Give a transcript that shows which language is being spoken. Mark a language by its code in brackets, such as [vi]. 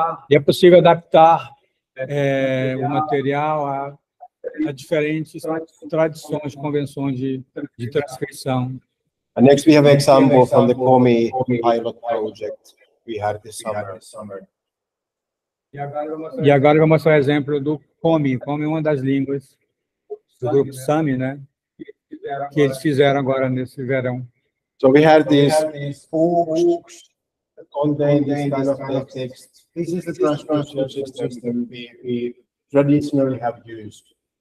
[pt] É possível adaptar o material a diferentes tradições, convenções de transcrição. [en] And next we have an example from the COMI pilot project we had this summer. [pt] E agora eu vou mostrar o exemplo do COMI. COMI é uma das línguas do grupo SAMI, né? Que eles fizeram agora nesse verão. [en] So we had these books containing this kind of text. This is the transcription system we traditionally have used.